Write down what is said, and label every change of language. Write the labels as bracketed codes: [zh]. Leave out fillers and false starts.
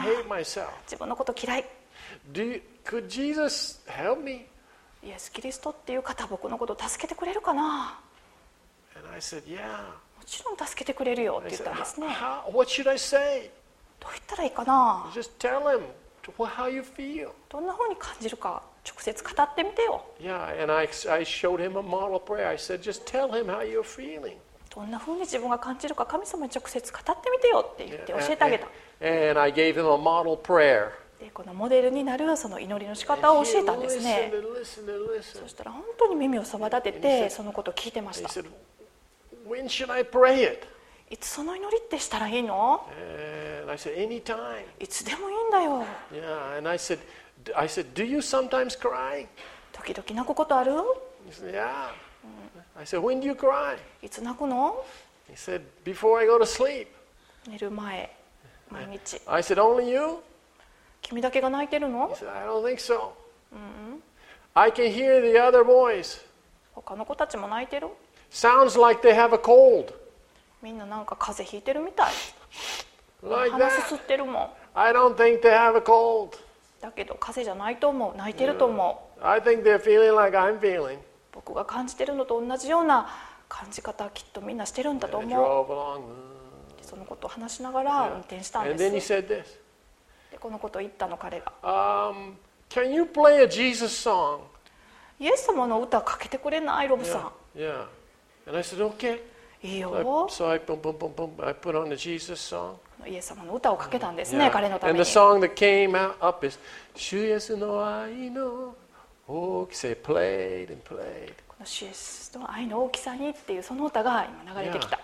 [en] I hate myself. [ja] 自分のこと嫌い。 [en] Could Jesus help me? [ja] イエス・キリストっていう方、僕のことを助けてくれるかな。 [en] And I said, yeah. [ja] もちろん助けてくれるよって言ったんですね。 [en] I said, what should I say? [ja] どう言ったらいいかな。 [en] Just tell him how you feel. [ja] どんな風に感じるか直接語ってみてよ。 [en] Yeah, and I showed him a model prayer. I said, just tell him how you're feeling. [ja] どんな風に自分が感じるか神様に直接語ってみてよって言って教えてあげた。 [en] And I gave him a model prayer. [ja] でこのモデルになるその祈りの仕方を教えたんですね。 [en] listened. [ja] そしたら本当に耳をそば立ててそのことを聞いてました。 [en] He said, When should I pray it? [ja] いつその祈りってしたらいいの。 [en] And I said, Anytime. [ja] いつでもいいんだよ。 [en] Yeah, and I said, Do you sometimes cry? [ja] 時々泣くことある。 [en] He said, Yeah. I said, when do you cry? [ja] いつ泣くの? [en] He said, before I go to sleep. [ja] 寝る前、毎日。 [en] I said, only you? [ja] 君だけが泣いてるの? [en] He said, I don't think so. I can hear the other boys. [ja] 他の子たちも泣いてる? [en] Sounds like they have a cold. [ja] みんななんか風邪ひいてるみたい。 [en] Like that. [ja] 鼻すすってるもん。 [en] I don't think they have a cold. [ja] だけど風邪じゃないと思う。泣いてると思う。 [en] I think they're feeling like I'm feeling. [ja] 僕が感じてるのと同じような感じ方はきっとみんなしてるんだと思う。でそのことを話しながら運転したんです。でこのことを言ったの彼が。 [en] Can you play a Jesus song? [ja] イエス様の歌かけてくれないロブさん。 [en] Yeah. And I said, okay. [ja] いいよ。 [en] So I boom boom boom boom I put on the Jesus song. [ja] イエス様の歌をかけたんですね、彼のために。 [en] And the song that came up is 主イエスの愛の大きさ played and played. [ja] この主イエスの愛の大きさにっていうその歌が今流れてきた。